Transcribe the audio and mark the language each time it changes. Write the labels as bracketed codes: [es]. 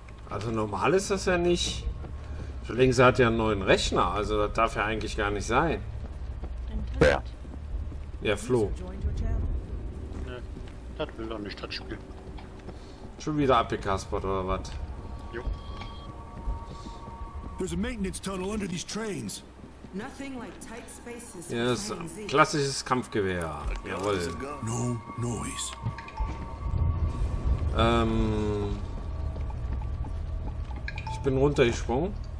[de] Also normal ist das ja nicht. Für links hat er einen neuen Rechner, also das darf ja eigentlich gar nicht sein. Wer? Ja, Flo. Das will doch nicht das Spiel. Schon wieder APK-Spot oder was? Jo. [en] There's a maintenance tunnel under these trains. Nothing like tight spaces. [de] Ja, das ist ein klassisches Kampfgewehr. Jawohl. [en] No noise. [de] Ich bin runtergesprungen.